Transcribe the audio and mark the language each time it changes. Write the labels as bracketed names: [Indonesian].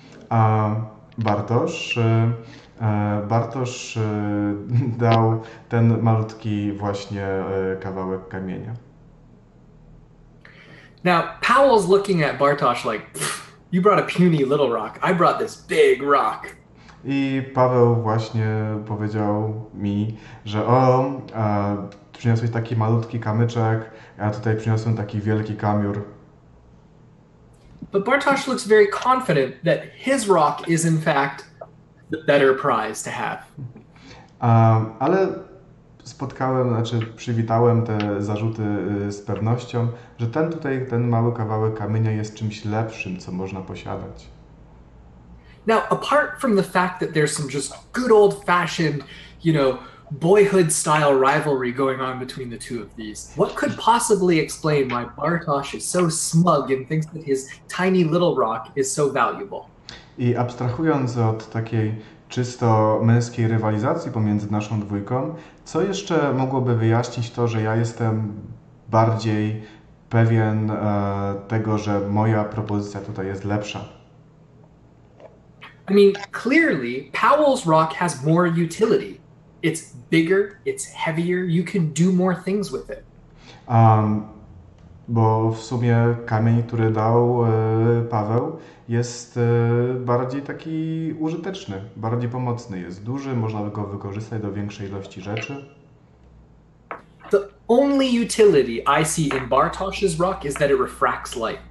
[Polish] A Bartosz dał ten malutki właśnie kawałek kamienia. [English] Now, Powell's looking at Bartosz like, you brought a puny little rock, I brought this big rock. [Polish] I Paweł właśnie powiedział mi, że o, przyniosłeś taki malutki kamyczek, ja tutaj przyniosłem taki wielki kamiur. [English] But Bartosz looks very confident that his rock is in fact the better prize to have. [Polish] Ale spotkałem, znaczy przywitałem te zarzuty z pewnością, że ten tutaj, ten mały kawałek kamienia jest czymś lepszym, co można posiadać. [English] Now, apart from the fact that there's some just good old-fashioned, you know, boyhood-style rivalry going on between the two of these, what could possibly explain why Bartosz is so smug and thinks that his tiny little rock is so valuable? [Polish] I abstrahując od takiej czysto męskiej rywalizacji pomiędzy naszą dwójką, co jeszcze mogłoby wyjaśnić to, że ja jestem bardziej pewien tego, że moja propozycja tutaj jest lepsza? [English] I mean, clearly, Powell's rock has more utility. It's bigger, it's heavier, you can do more things with it. [Polish] Bo w sumie kamień, który dał Paweł, jest bardziej taki użyteczny, bardziej pomocny. Jest duży, można go wykorzystać do większej ilości rzeczy. [English] The only utility I see in Bartosz's rock is that it refracts light.